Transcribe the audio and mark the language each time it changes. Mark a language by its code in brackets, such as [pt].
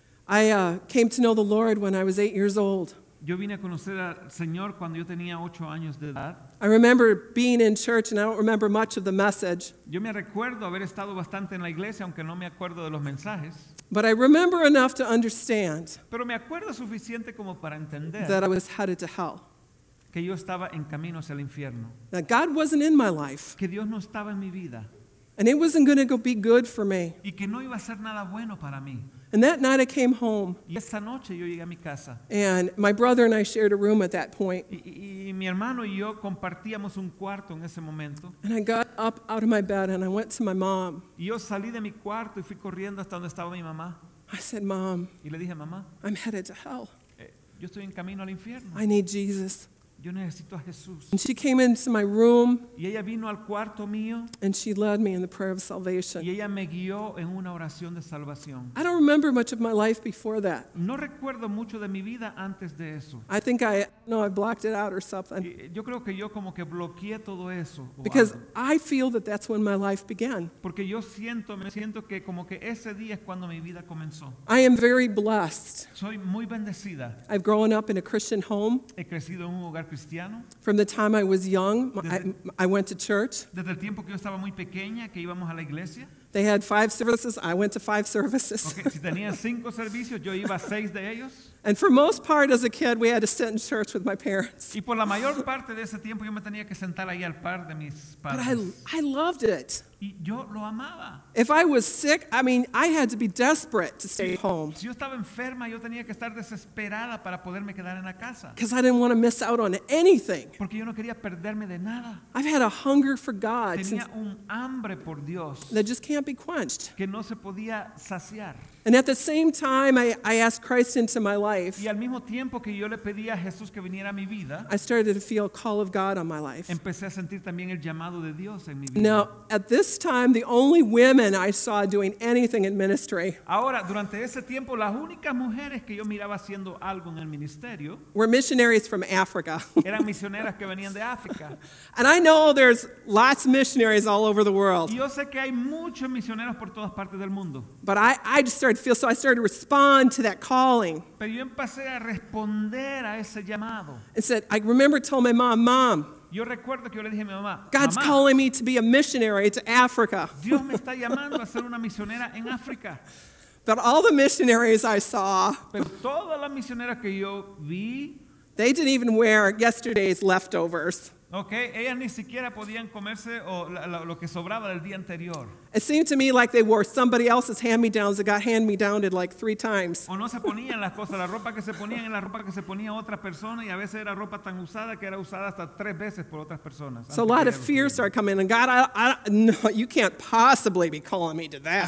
[en] I came to know the Lord when I was 8 years old. [es] Yo vine a conocer al Señor cuando yo tenía 8 años de edad. [en] I remember being in church and I don't remember much of the message. [es] Yo me recuerdo haber estado bastante en la iglesia, aunque no me acuerdo de los mensajes. [en] But I remember enough to understand. [es] Pero me acuerdo suficiente como para entender. [en] That I was headed to hell. [es] Que yo estaba en camino hacia el infierno. [en] That God wasn't in my life. [es] Que Dios no estaba en mi vida. [en] And it wasn't going to be good for me. [es] Y que no iba a ser nada bueno para mí. [en] And that night I came home. [es] Y esa noche yo llegué a mi casa. [en] And my brother and I shared a room at that point. [es] Y mi hermano y yo compartíamos un cuarto en ese momento. [en] And I got up out of my bed and I went to my mom. [es] Y yo salí de mi cuarto y fui corriendo hasta donde estaba mi mamá. [en] I said, Mom. [es] Y le dije, mamá. [en] I'm headed to hell. [es] Yo estoy en camino al infierno. [en] I need Jesus. [es] Yo necesito a Jesús. [en] And she came into my room. [es] Y ella vino al cuarto mío. [en] And she led me in the prayer of salvation. [es] Y ella me guió en una oración de salvación. [en] I don't remember much of my life before that. [es] No recuerdo mucho de mi vida antes de eso. [en] I think I blocked it out or something. [es] Yo creo que yo como que bloqueé todo eso. [en] Because [es] algo. [en] I feel that that's when my life began. [es] Porque yo me siento que como que ese día es cuando mi vida comenzó. [en] I am very blessed. [es] Soy muy bendecida. [en] I've grown up in a Christian home. [es] He crecido en un hogar. [en] From the time I was young, I went to church. [es] Desde el tiempo que yo estaba muy pequeña, que íbamos a la iglesia. [en] They had 5 services. I went to 5 services. [es] Okay, si tenían 5 servicios, yo iba a 6 de ellos. [en] And for most part, as a kid, we had to sit in church with my parents. [es] Y por la mayor parte de ese tiempo, yo me tenía que sentar ahí al par de mis padres. [en] But I loved it. [es] Y yo lo amaba. [en] If I was sick, I mean, I had to be desperate to stay home. [es] Si yo estaba enferma, yo tenía que estar desesperada para poderme quedar en la casa. [en] Because I didn't want to miss out on anything. [es] Porque yo no quería perderme de nada. [en] I've had a hunger for God. [es] Tenía un hambre por Dios. [en] That just can't be quenched. [es] Que no se podía saciar. [en] And at the same time, I asked Christ into my life. [es] Y al mismo tiempo que yo le pedí a Jesús que viniera a mi vida, [en] I started to feel a call of God on my life. [es] Empecé a sentir también el llamado de Dios en mi vida. [en] Now, at this time, the only women I saw doing anything in ministry. [es] Ahora, durante ese tiempo, las únicas mujeres que yo miraba haciendo algo en el ministerio [en] were missionaries from Africa. [es] Eran misioneras que venían de África. [en] And I know there's lots of missionaries all over the world. [es] Y yo sé que hay muchos misioneros por todas partes del mundo. [en] But I just started feel so I started to respond to that calling. [es] Pero yo empecé a responder a ese llamado. [en] And said, I remember telling my mom, Mom, [es] yo recuerdo que yo le dije a mi mamá, [en] God's [es] mamá, [en] calling me to be a missionary to Africa. [es] Dios me está llamando a ser una misionera en África. [en] But all the missionaries I saw, [es] pero todas las misioneras que yo vi, [en] they didn't even wear yesterday's leftovers. [es] Okay, ellas ni siquiera podían comerse o lo que sobraba del día anterior. [en] It seemed to me like they wore somebody else's hand-me-downs that got hand-me-downed like three times. [es] O no se ponían las cosas, la ropa que se ponían es la ropa que se ponía otra persona y a veces era ropa tan usada que era usada hasta tres veces por otras personas. [en] So a lot of fear started coming, and God, no, you can't possibly be calling me to that.